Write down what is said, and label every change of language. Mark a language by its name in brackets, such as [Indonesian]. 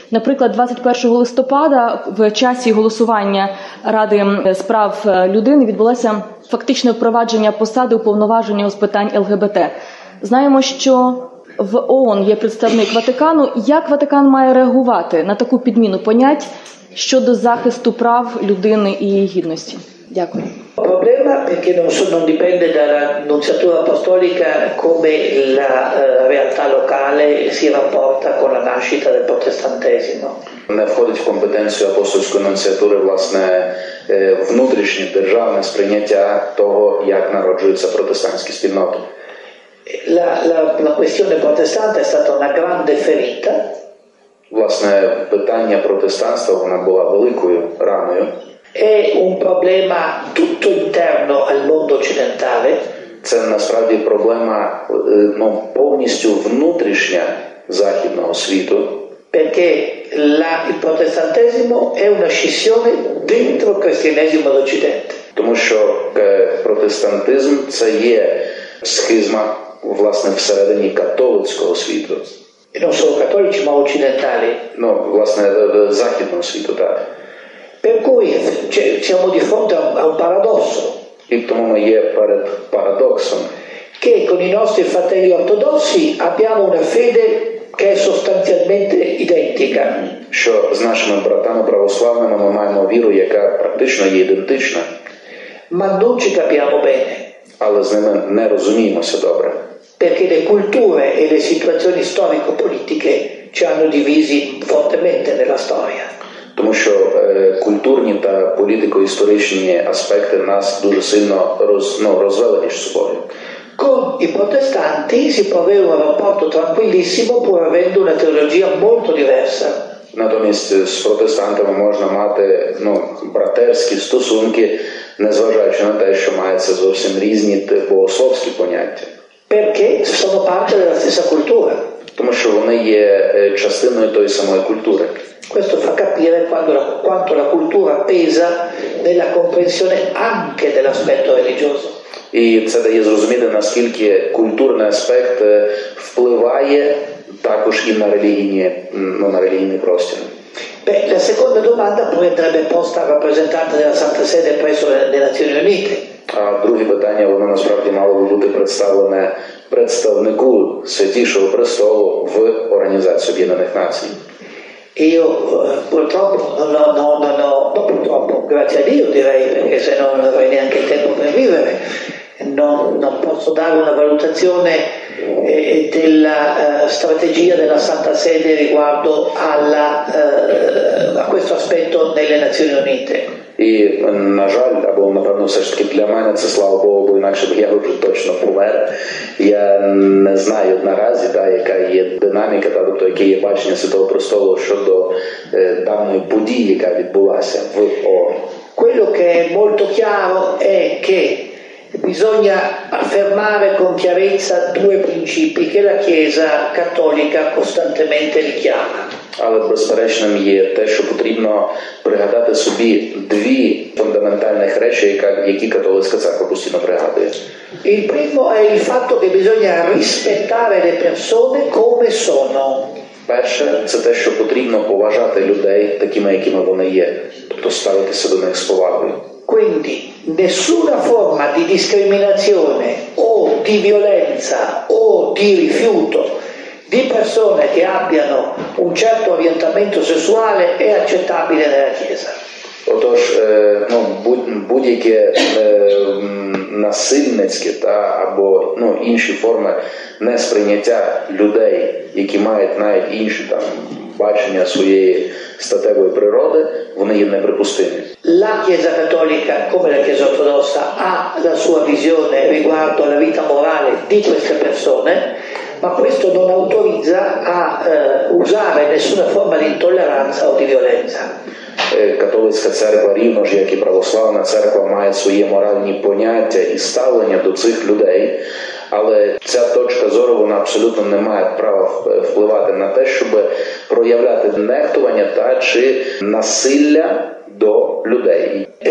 [Ukrainian] наприклад, 21 листопада в часі голосування Ради з прав людини відбулося фактичне впровадження посади уповноваженого з питань ЛГБТ. Знаємо, що в ООН є представник Ватикану. Як Ватикан має реагувати на таку підміну понять щодо захисту прав людини і її гідності? Дякую. [Italian] Problema perché non dipende dalla nunziatura apostolica come la realtà locale si rapporta con la nascita del protestantesimo. [Ukrainian] Не входить в компетенцію апостольської нунціатури, власне, внутрішнє державне сприйняття того, як народжуються протестантські спільноти. [Italian] La questione protestante è stata una grande ferita. [Ukrainian] Власне, питання протестанства, вона була великою раною. [Italian] È un problema tutto interno al mondo occidentale. [Ukrainian] Це насправді проблема, ну, повністю внутрішня західного світу. [Italian] Perché il protestantesimo è una scissione dentro il cristianesimo d'Occidente. [Ukrainian] Тому що протестантизм – це є схизма, власне, всередині католицького світу. [Italian] E non solo cattolici, ma occidentali. [Ukrainian] Ну, власне, західного світу, так. [Italian] Per cui siamo di fronte a un paradosso. [Ukrainian] І тому ми є перед парадоксом. [Italian] Che con i nostri fratelli ortodossi abbiamo una fede che è sostanzialmente identica. [Ukrainian] Що з нашими братами православними ми маємо віру, яка практично є ідентична. [Italian] Ma non ci capiamo bene. [Ukrainian] Але з ними не розуміємося добре. [Italian] Perché le culture e le situazioni storico-politiche ci hanno divisi fortemente nella storia. [Ukrainian] Тому що культурні та політико-історичні аспекти нас дуже сильно розвели між собою. [Italian] Con i protestanti si può avere un rapporto tranquillissimo pur avendo una teologia molto diversa. [Ukrainian] Натомість з протестантами можна мати, ну, братерські стосунки, незважаючи на те, що мається зовсім різні богословські поняття. [Italian] Perché sono parte della stessa cultura. [Ukrainian] Тому що вони є частиною тої самої культури. [Italian] Questo fa capire quanto la cultura pesa nella comprensione anche dell'aspetto religioso. [Ukrainian] І це дає зрозуміти, наскільки культурний аспект впливає також і на релігійні, ну, на релігійний простір. [Italian] Beh, la seconda domanda poi andrebbe posta al rappresentante della Santa Sede presso le Nazioni Unite. [Ukrainian] А друге питання, воно насправді мало би бути представлене представнику Святішого Престолу в Організації Об'єднаних Націй. [Italian] Io purtroppo no, purtroppo, grazie a Dio direi, perché se no non avrei neanche tempo per vivere, non posso dare una valutazione della strategia della Santa Sede riguardo a questo aspetto delle Nazioni Unite. [Ukrainian] І, на жаль, або, напевно, все ж таки для мене це, слава Богу, бо інакше б я вже точно помер. Я не знаю наразі, та, яка є динаміка, та, тобто, яке є бачення Святого Престолу щодо даної події, яка відбулася в ООН. [Italian] Quello che è molto chiaro è che bisogna affermare con chiarezza due principi che la Chiesa Cattolica costantemente richiama. [Ukrainian] Але безперечним є те, що потрібно пригадати собі дві фундаментальних речі, які католицька церква постійно пригадує. [Italian] Il primo è il fatto che bisogna rispettare le persone come sono. [Ukrainian] Перше – це те, що потрібно поважати людей такими, якими вони є, тобто ставитися до них з повагою. [Italian] Quindi nessuna forma di discriminazione o di violenza o di rifiuto di persone che abbiano un certo orientamento sessuale è accettabile nella Chiesa. [Ukrainian] Отож, ну, будь-яке насильницьке та або, ну, інші форми несприйняття людей, які мають навіть інші там бачення своєї статевої природи, вони є неприпустимі. [Italian] La Chiesa Cattolica, come la Chiesa Ortodossa, ha la sua visione riguardo alla vita morale di queste persone, ma questo non autorizza a usare nessuna forma di intolleranza o di violenza. [Ukrainian] Католицька церква, рівно ж як і православна церква, має свої моральні поняття і ставлення до цих людей, але ця точка зору, вона абсолютно не має права впливати на те, щоб проявляти нехтування та чи насилля до людей.